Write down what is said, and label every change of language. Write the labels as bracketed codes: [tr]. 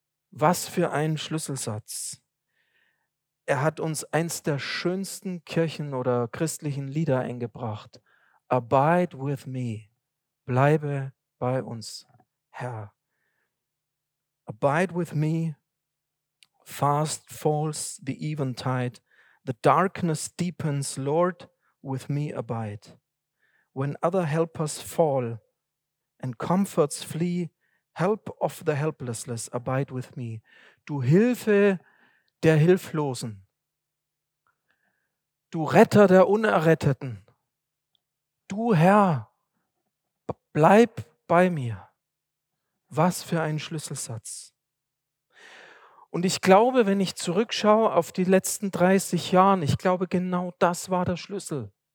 [de] Was für ein Schlüsselsatz. Er hat uns eins der schönsten Kirchen oder christlichen Lieder eingebracht. [en] Abide with me, [de] bleibe bei uns, Herr. [en] Abide with me, fast falls the eventide, the darkness deepens, Lord, with me abide. When other helpers fall and comforts flee, help of the helplessness, abide with me. [de] Du Hilfe der Hilflosen, du Retter der Unerretteten, du Herr, bleib bei mir. Was für ein Schlüsselsatz. Und ich glaube, wenn ich zurückschaue auf die letzten 30 Jahre, ich glaube, genau das war der Schlüssel.